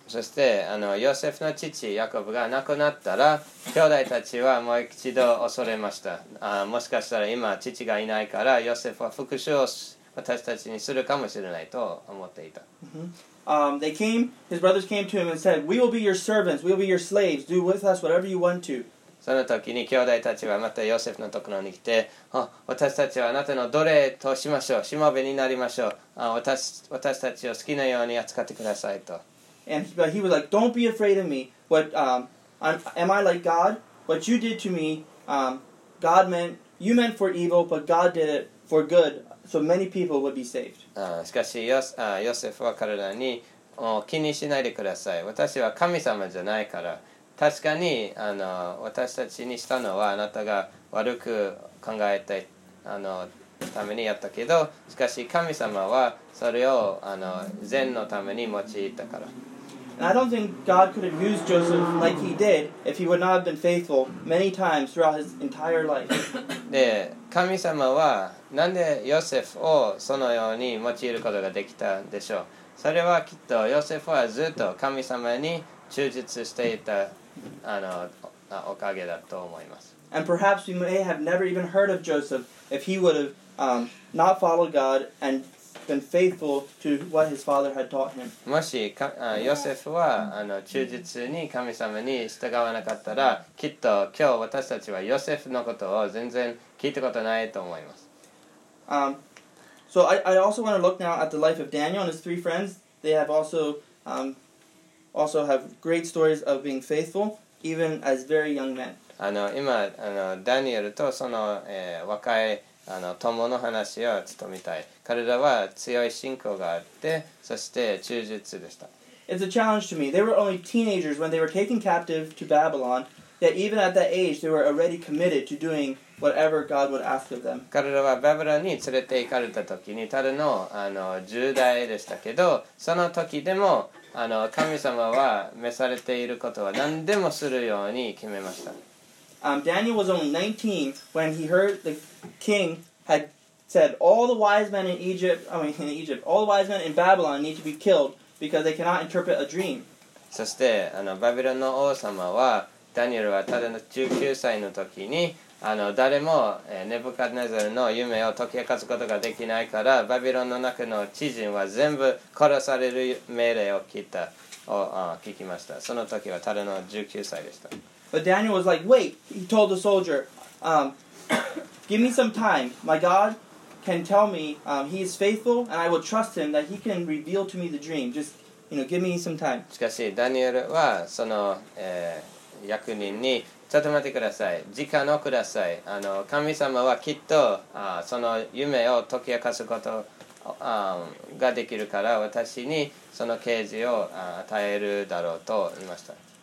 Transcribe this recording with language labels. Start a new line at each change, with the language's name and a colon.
Japanese: そしてあのヨセフの父ヤコブが亡くなったら兄弟たちはもう一度恐れました。もしかしたら今父がいないからヨセフは復讐を私たちにするかもしれないと思っていた。
English: They came, his brothers came to him and said, we will be your servants, we will be your slaves, do with us whatever you want to.
Japanese: その時に兄弟たちはまたヨセフのところに来て、私たちはあなたの奴隷としましょう、しもべになりましょう、私たちを好きなように扱ってくださいと。
English: But he was like, don't be afraid of me. Am I like God? What you did to me, God meant, you meant for evil, but God did it for good, so many people would be saved.
Japanese: しかし、ヨセフは彼らに気にしないでください。私は神様じゃないから。確かに私たちにしたのはあなたが悪く考えたためにやったけど、しかし神様はそれを善のために用いたから。
English: And I don't think God could have used Joseph like he did if he would not have been faithful many times throughout his entire life.
Japanese: で、神様はなんでヨセフをそのように用いることができたんでしょう。それはきっとヨセフはずっと神様に忠実していたおかげだと思います。
English: And perhaps we may have never even heard of Joseph if he would have not followed God andBeen faithful to what his father had taught him.
Japanese: もしヨセフは忠実に神様に従わなかったら、きっと今日私たちはヨセフのことを全然聞いたことないと思います。
English: So I also want to look now at the life of Daniel and his three friends. They have also have great stories of being faithful, even as very young men.
Japanese: 今ダニエルとその、若い友の話を務めたい。彼らは強い信仰があって、そして忠実でした。
English: It's a challenge to me. They were only teenagers when they were taken captive to Babylon, yet even at that age, they were already committed to doing whatever God would ask of them.
Japanese: 彼らはバビロンに連れて行かれた時に、ただの10代でしたけど、その時でも神様は召されていることは何でもするように決めました。
English: Daniel was only 19 when he heard the king had said all the wise men in Egypt, all the wise men in Babylon need to be killed because they cannot interpret a dream.
Japanese: そしてバビロンの王様はダニエルはただの19歳の時に誰もネブカデネザルの夢を解き明かすことができないから、バビロンの中の知人は全部殺される命令を聞きました。その時はただの19歳でした。
English: But Daniel was like, wait, he told the soldier, give me some time. My God can tell me, he is faithful, and I will trust him that he can reveal to me the dream. Just, give me some time.
Japanese: しかし、ダニエルはその、役人に、ちょっと待ってください。時間をください。神様はきっと、その夢を解き明かすことができるから、私にその啓示を与えるだろうと言いました。